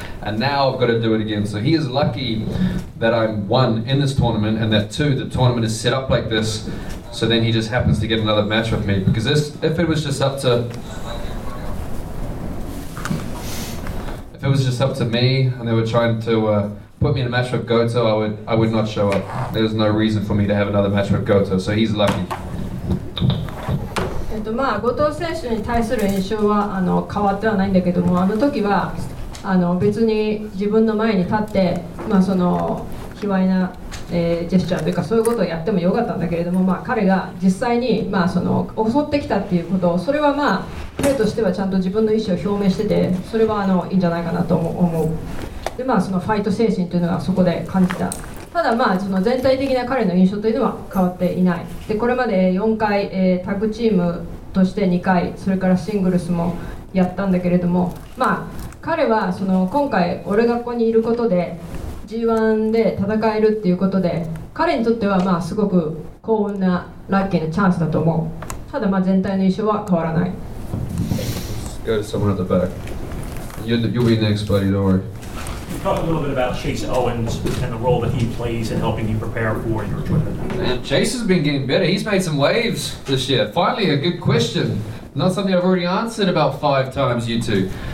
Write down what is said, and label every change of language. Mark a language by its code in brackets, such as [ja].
[en] And now I've got to do it again. So he is lucky that I'm 1 in this tournament, and that 2, the tournament is set up like this. So then he just happens to get another match with me. Because this, if it was just up to me, and they were trying to... put me in a match with Goto, I would not show up. There's no reason for me to have another match with Goto, so he's lucky. [ja] まあ後藤選手に対する印象はあの変わってはないんだけども、あの時はあの別に自分の前に立って、まあ、その卑猥な、ジェスチャーというかそういうことをやってもよかったんだけれども、まあ、彼が実際に、まあ、その襲ってきたっていうこと、それはまあ彼としてはちゃんと自分の意思を表明してて、それはあのいいんじゃないかなと思う。でまあそのファイト精神というのがそこで感じた。ただまあその全体的な彼の印象というのは変わっていない。でこれまで4回、タッグチームとして2回それからシングルスもやったんだけれども、まあ彼はその今回俺がここにいることで G1 で戦えるっていうことで、彼にとってはまあすごく幸運なラッキーなチャンスだと思う。ただまあ全体の印象は変わらない。 [en] Go to someone at the back. You'll be next, buddy. Don't worry. You talk a little bit about Chase Owens and the role that he plays in helping you prepare for your tournament. Man, Chase has been getting better. He's made some waves this year. Finally, a good question. Not something I've already answered about five times, you two.